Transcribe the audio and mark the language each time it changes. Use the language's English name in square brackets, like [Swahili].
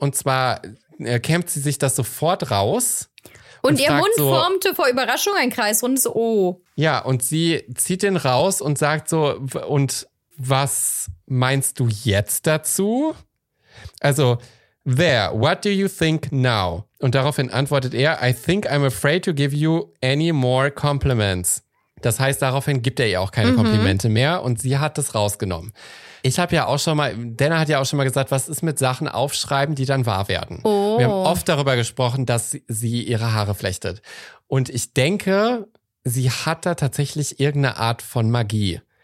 [German] Und zwar kämmt sie sich das sofort raus. Und ihr Mund so, formte vor Überraschung ein kreisrundes O. Ja, und sie zieht den raus und sagt so, und was meinst du jetzt dazu? [English] Also, there, what do you think now? [German] Und daraufhin antwortet er, [English] I think I'm afraid to give you any more compliments. [German] Das heißt, daraufhin gibt er ihr auch keine Komplimente mehr und sie hat das rausgenommen. Ich habe ja auch schon mal, Denna hat ja auch schon mal gesagt, was ist mit Sachen aufschreiben, die dann wahr werden. Oh. Wir haben oft darüber gesprochen, dass sie ihre Haare flechtet. Und ich denke, sie hat da tatsächlich irgendeine Art von Magie.